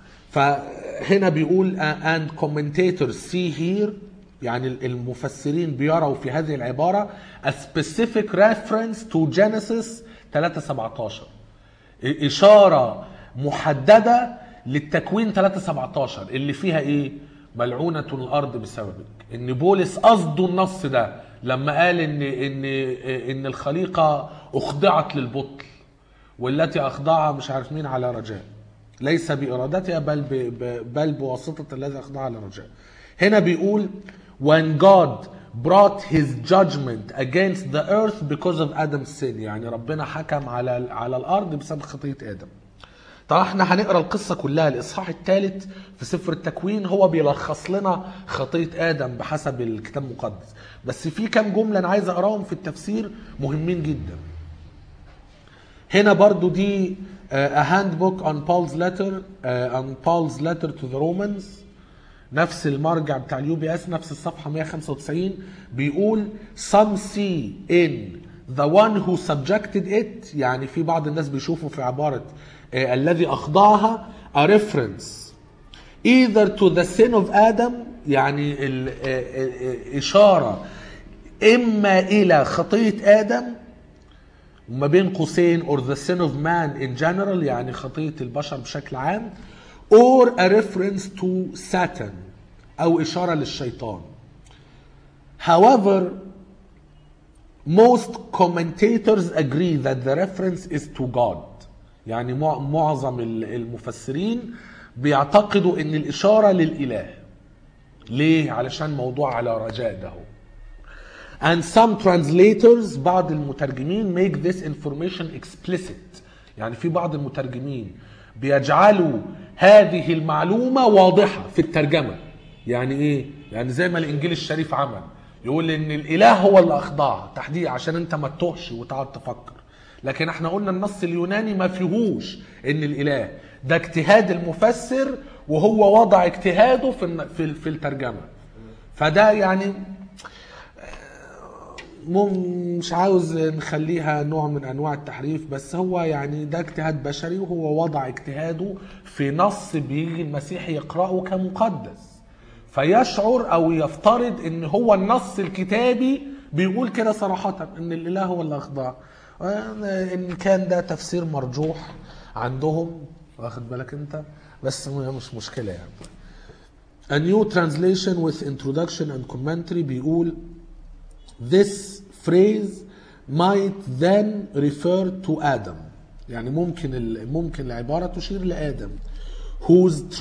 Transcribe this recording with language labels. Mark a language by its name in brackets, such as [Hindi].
[Arabic] فهنا بيقول [English] and commentators see here، [Arabic] يعني المفسرين بيروا في هذه العبارة [English] a specific reference to Genesis 3:17، [Arabic] إشارة محددة للتكوين 3:17 اللي فيها إيه؟ ملعونة الأرض بسببك. إن بولس قصده النص ده لما قال ان ان ان الخليقه اخضعت للبطل والتي اخضعها مش عارف مين على رجاء، ليس بارادتها بل بواسطه الذي اخضعها لرجاء. هنا بيقول [English] when God brought his judgment against the earth because of Adam's sin، [Arabic] يعني ربنا حكم على الارض بسبب خطيئه ادم. طبعا احنا هنقرا القصه كلها الاصحاح الثالث في سفر التكوين، هو بيلخص لنا خطيئه ادم بحسب الكتاب المقدس، بس في كام جمله انا عايز اقراهم في التفسير مهمين جدا. هنا برضو دي [English] a handbook on Paul's letter on Paul's letter to the Romans، [Arabic] نفس المرجع بتاع اليو بي اس، نفس الصفحه 195، بيقول [English] some see in the one who subjected it، [Arabic] يعني في بعض الناس بيشوفوا في عباره الذي أخضعها [English] a reference either to the sin of Adam، يعني [Arabic] إشارة إما إلى خطيئة آدم وما بين قوسين [English] or the sin of man in general، [Arabic] يعني خطيئة البشر بشكل عام، [English] or a reference to Satan [Arabic] أو إشارة للشيطان. [English] However most commentators agree that the reference is to God، [Arabic] يعني معظم المفسرين بيعتقدوا ان الاشاره للاله. ليه؟ علشان موضوع على رجاء ده. [English] And some translators، [Arabic] بعض المترجمين [English] make this information explicit، [Arabic] يعني في بعض المترجمين بيجعلوا هذه المعلومه واضحه في الترجمه. يعني ايه؟ يعني زي ما الانجيل الشريف عمل، يقول ان الاله هو اللي اخضعها تحديدا عشان انت ما تتوهش وتقعد تفكر، لكن احنا قلنا النص اليوناني ما فيهوش ان الاله، ده اجتهاد المفسر وهو وضع اجتهاده في الترجمة. فده يعني مش عاوز نخليها نوع من انواع التحريف، بس هو يعني ده اجتهاد بشري وهو وضع اجتهاده في نص بيجي المسيح يقرأه كمقدس، فيشعر او يفترض ان هو النص الكتابي بيقول كده صراحة ان الاله هو اللي اخضع. إن كان ده تفسير مرجوح عندهم، واخد بالك أنت، بس مش مشكلة يعني. [English] A new translation with introduction and commentary [Arabic] بيقول [English] this phrase might then refer to Adam، [Arabic] يعني ممكن العبارة تشير لآدم whose